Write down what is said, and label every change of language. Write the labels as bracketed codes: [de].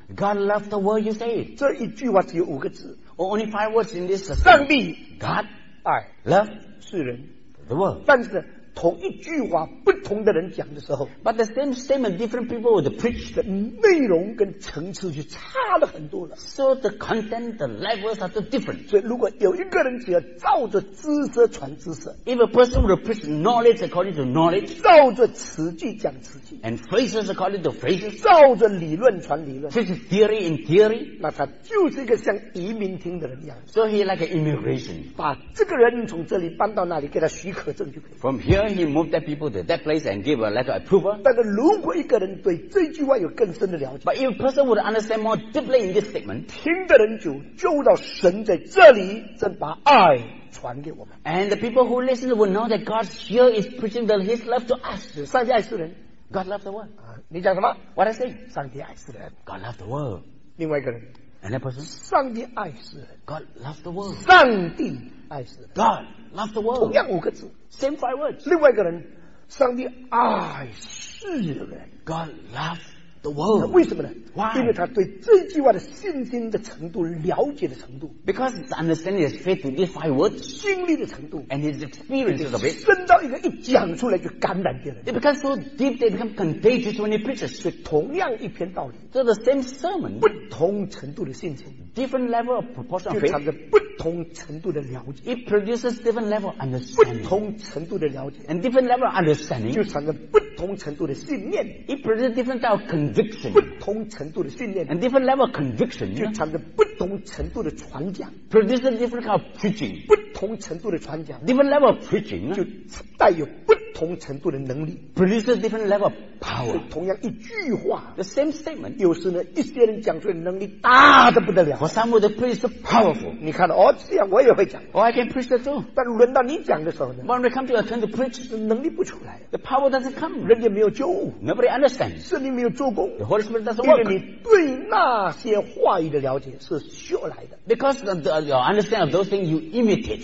[en] God loved the world, you say. [zh] 这一句话只有五个字。 [en] Or only five words in this. [zh] 上帝 [en] God. [zh] 爱 [en] love [zh] 是人 [en] the world [zh] 但是同一句话不同的人讲的时候 [en] but the same statement different people would preach [zh] 的内容跟层次就差了很多了 [en] so the content the levels are different [zh] 所以如果有一个人只要照着知识传知识 [en] if a person would preach knowledge according to knowledge [zh] 照着词句讲词句 [en] and phrases according to phrases [zh] 照着理论传理论 [en] preach theory in theory [zh] 那他就是一个像移民厅的人一样 [en] so he like an immigration [zh] 把这个人从这里搬到那里给他许可证就可以 [en] from hereHe moved that people to that place and gave a letter of approval. [zh] 但是如果一个人对这句话有更深的了解 [en] But if a person would understand more deeply in this statement, [zh] 听的人就到神在这里正把爱传给我们 [en] And the people who listen would know that God here is preaching His love to us. [zh] 上帝爱世人 [en] God loved the world. [zh] 你讲什么 [en] What I say? [zh] 上帝爱世人 [en] God loved the world. [zh] 另外一个人 [en] And that person? [zh] 上帝爱世人 [en] God loved the world. [zh] 上帝爱世人 [en] God loved the world. [zh] 同样五个字 [en] Same five words. [zh] 另外一个人，上帝爱世人。 [en] God loves the world. [zh] 为什么呢 [en] ？Why? [zh] 因为他对这句话的信心的程度、了解的程度。 [en] Because his understanding is faith to these five words. [zh] 经历的程度。 [en] And his experience of it. [zh] 深到一个一讲出来就感染别人。 [en] It becomes so deep they become contagious when he preaches. [zh] 是同样一篇道理。 [en] So the same sermon. [zh] 不同程度的信心。 [en] Different level of proportion of faith. [zh] 不同程度的了解 [en] It produces different level of understanding [zh] 不同程度的了解 [en] And different level of understanding [zh] 就产生不同程度的信念 [en] It produces different type of conviction [zh] 不同程度的信念 [en] And different level of conviction [zh] 就产生不同程度的传讲 [en] Produces different kind of preaching [zh] 不同程度的传讲 [en] Different level of preaching [zh] 就带有不同程度的能力 [en] Produces different level of power [zh] 同样一句话 [en] The same statement [zh] 有时呢一些人讲出来的能力大得不得了 [en] For some of the preach so powerful [zh] 你看到哦这样我也会讲 [en] Oh I can preach that too [zh] 但轮到你讲的时候呢 [en] When we come to your turn to preach [zh] 能力不出来 [en] The power doesn't come [zh] 人家没有救 [en] Nobody understands [zh] 圣灵没有做工 [en] The Holy Spirit doesn't work [zh] 因为你对那些话语的了解是学来的 [en] Because your understanding of those things you imitate